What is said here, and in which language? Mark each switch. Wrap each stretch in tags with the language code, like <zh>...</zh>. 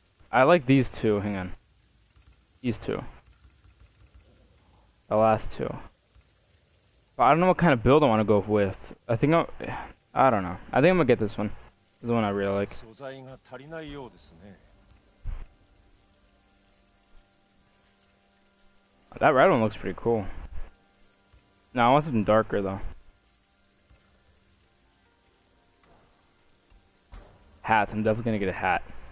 <en>I like these two, hang on. These two. The last two. But I don't know what kind of build I want to go with. I think I'm gonna get this one. This is the one I really like.</en> <ja>素材が足りないようですね。</ja> <en>That red one looks pretty cool. No, I want something darker though. Hats, I'm definitely gonna get a hat.</en>